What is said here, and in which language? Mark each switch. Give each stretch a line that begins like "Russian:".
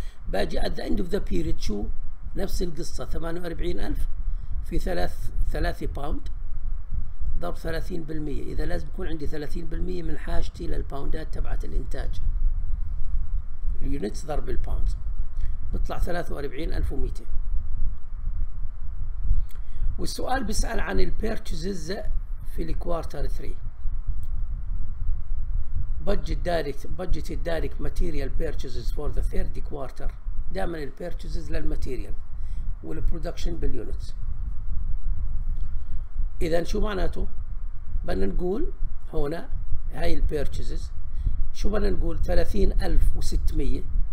Arabic: باجي
English: at the end of the period
Arabic: شو؟ نفس القصة، 48,000 في 3 باوند ضرب 30%، إذا لازم يكون عندي 30% من حاجتي للباوندات تبعت الإنتاج. اليونتس ضرب الباوند بطلع 43,200. والسؤال بيسأل عن الـ purchases في الـ quarter 3.
English: budget direct material purchases for the third quarter.
Arabic: دائما الـ purchases للـ material والـ production بالـ units. إذن شو معناته؟ بدنا نقول هنا هاي الـ purchases، شو بدنا نقول؟ 30,600.